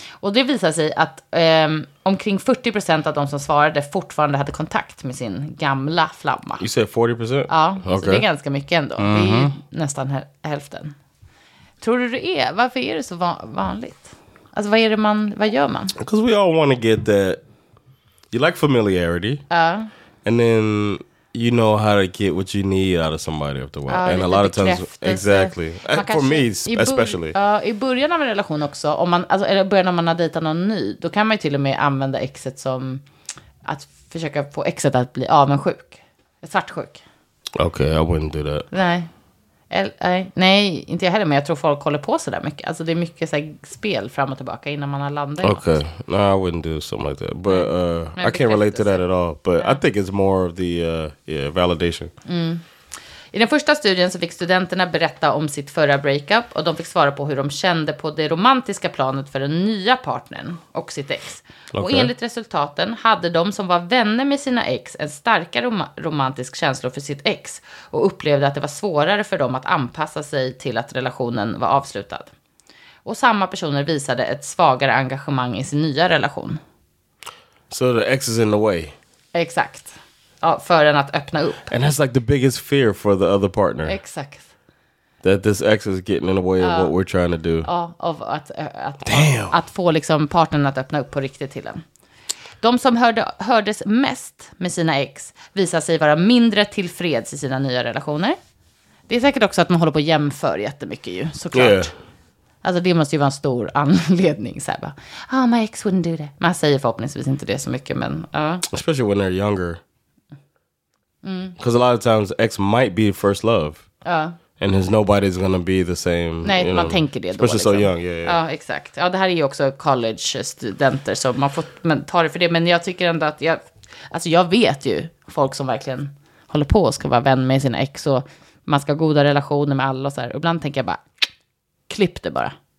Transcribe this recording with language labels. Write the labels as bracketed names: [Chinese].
[Swedish] Och det visar sig att omkring 40% av de som svarade fortfarande hade kontakt med sin gamla flamma. [English] You said 40%? [Swedish] Ja, okay. Så det är ganska mycket ändå. Mm-hmm. Det är ju nästan hälften. Tror du det är? Varför är det så vanligt? Alltså, vad är det man, vad gör man? [English] Because we all want to get that. You like familiarity. And then you know how to get what you need out of somebody after a while. And a lot of times, exactly. For me, especially. [Swedish] I början av en relation också, om man, alltså, eller början när man har dejtat någon ny, då kan man ju till och med använda exet som att försöka få exet att bli avundsjuk. Svartsjuk. [English] Okay, I wouldn't do that. [Swedish] Nej. Nej, inte jag heller, men jag tror folk håller på så där mycket. Alltså det är mycket så här spel fram och tillbaka innan man har landat. [English] Okay. No, I wouldn't do something like that. But I can't relate to that at all, but yeah. I think it's more of the validation. Mm. [Swedish] I den första studien så fick studenterna berätta om sitt förra breakup och de fick svara på hur de kände på det romantiska planet för den nya partnern och sitt ex. Okay. Och enligt resultaten hade de som var vänner med sina ex en starkare romantisk känsla för sitt ex och upplevde att det var svårare för dem att anpassa sig till att relationen var avslutad. Och samma personer visade ett svagare engagemang i sin nya relation. [English] So the ex is in the way. [Swedish] Exakt. Ja, för än att öppna upp. [English] And that's like the biggest fear for the other partner. [Swedish] Exakt. [English] That this ex is getting in the way of what we're trying to do. [Swedish] Ja, av att få liksom partnern att öppna upp på riktigt till en. De som hördes mest med sina ex visar sig vara mindre tillfreds i sina nya relationer. Det är säkert också att man håller på att jämför jättemycket ju, såklart. Yeah. Alltså det måste ju vara en stor anledning. Så här bara, [English] oh, my ex wouldn't do that. [Swedish] Man säger förhoppningsvis inte det så mycket, men ja. [English] Especially when they're younger. Because a lot of times ex might be first love. And his nobody's gonna be the same. [Swedish] Nej, [English] you man know, [Swedish] tänker det då. [English] Especially [Swedish] liksom. [English] So young, yeah, yeah. [Swedish] Ja, exakt. Ja, det här är ju också college-studenter. Så man får ta det för det. Men jag tycker ändå att jag, alltså jag vet ju folk som verkligen håller på och ska vara vän med sina ex. Och man ska ha goda relationer med alla och så här. Och ibland tänker jag bara, klipp det bara.